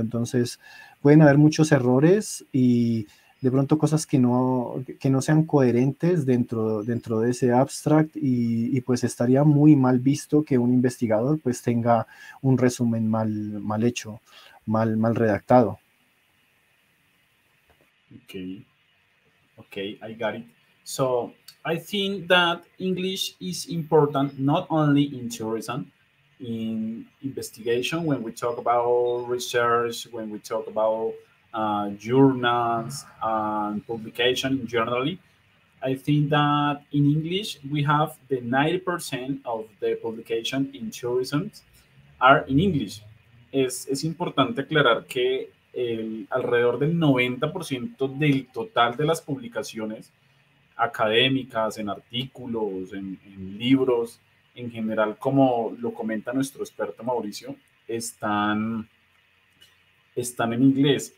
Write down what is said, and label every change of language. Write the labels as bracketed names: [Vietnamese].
[Spanish] Entonces pueden haber muchos errores y de pronto cosas que no sean coherentes dentro de ese abstract, y pues estaría muy mal visto que un investigador pues tenga un resumen mal hecho, mal redactado. [English] Okay, I got it. So I think that English is important not only in tourism, in investigation, when we talk about research, when we talk about journals and publication generally. I think that in English we have the 90% of the publication in tourism are in English. [Spanish] Es importante aclarar que alrededor del 90% del total de las publicaciones académicas, en artículos, en libros, en general, como lo comenta nuestro experto Mauricio, están en inglés.